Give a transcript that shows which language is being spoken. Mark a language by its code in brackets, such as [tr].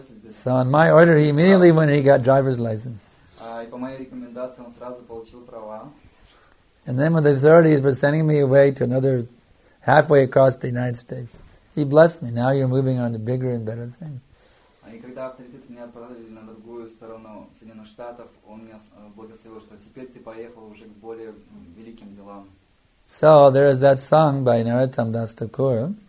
[en] So on my order, he immediately went and he got driver's license. And then when the authorities were sending me away to another halfway across the United States, he blessed me. Now you're moving on to bigger and better things. [ru] И когда авторитеты меня отправили на другую сторону Соединенных Штатов, он меня благословил, что теперь ты поехал уже к более великим делам. [en] So there is that song by Narottam Das Thakur.